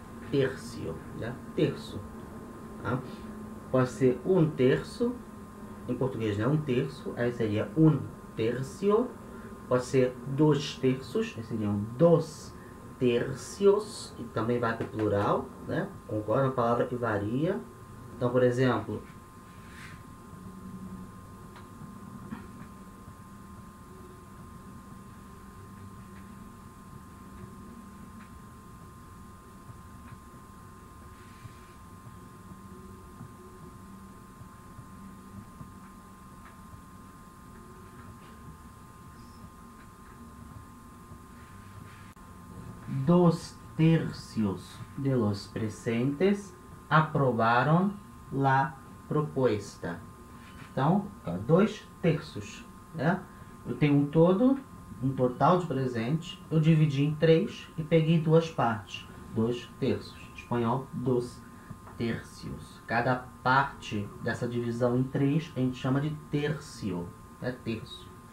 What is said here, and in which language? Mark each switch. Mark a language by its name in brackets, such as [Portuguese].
[Portuguese] Tercio, né? Terço. Tá? Pode ser um terço, em português, né? Um terço, aí seria um tercio. Pode ser dois terços, aí seriam [Spanish] dos tercios, [Portuguese] e também vai para o plural, né? Concorda? Uma palavra que varia. Então, por exemplo, [Spanish] dos tercios de los presentes aprobaram la propuesta. [Portuguese] Então, dois terços, né? Eu tenho um todo, um total de presentes, eu dividi em três e peguei duas partes, dois terços. Espanhol, [Spanish] dos tercios. [Portuguese] Cada parte dessa divisão em três a gente chama de tercio, é, né? Terço.